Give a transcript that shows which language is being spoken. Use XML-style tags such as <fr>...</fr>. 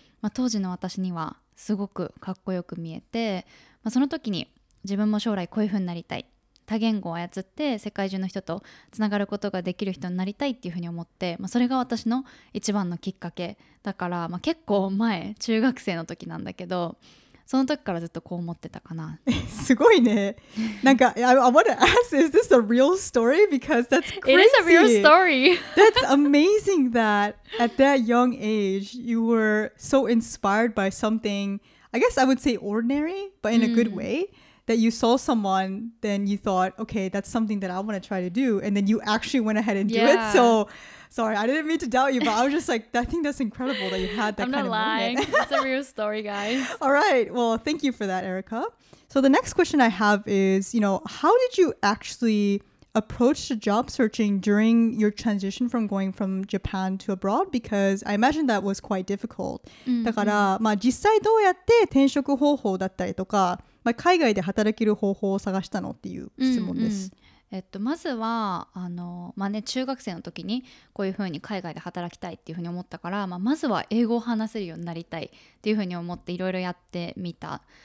<ja>まあ、当時の私にはすごくかっこよく見えて、まあ、その時に自分も将来こういうふうになりたい、多言語を操って世界中の人とつながることができる人になりたいっていうふうに思って、まあ、それが私の一番のきっかけだから、まあ、結構前、中学生の時なんだけど、その時からずっとこう思ってたかな。すごいね。なんか、</ja> <en>I want to ask, is this a real story? Because that's crazy. It is a real story. That's amazing that at that young age, you were so inspired by something, I guess I would say ordinary, but in a good way. That you saw someone, then you thought, okay, that's something that I want to try to do. And then you actually went ahead and do it. So, sorry, I didn't mean to doubt you, but I was just like, I think that's incredible that you had that kind of moment. I'm not lying. That's a real story, guys. All right. Well, thank you for that, Erika. So the next question I have is, you know, how did you actually approach the job searching during your transition from going from Japan to abroad? Because I imagine that was quite difficult.</en> <ja>だから、まあ、実際どうやって転職方法だったりとか、まあ、海外で働ける方法を探したのっていう質問です。まずはまあね、中学生の時にこういうふうに海外で働きたいっていうふうに思ったから、まあ、まずは英語を話せるようになりたいっていうふうに思っていろいろやってみた。</ja>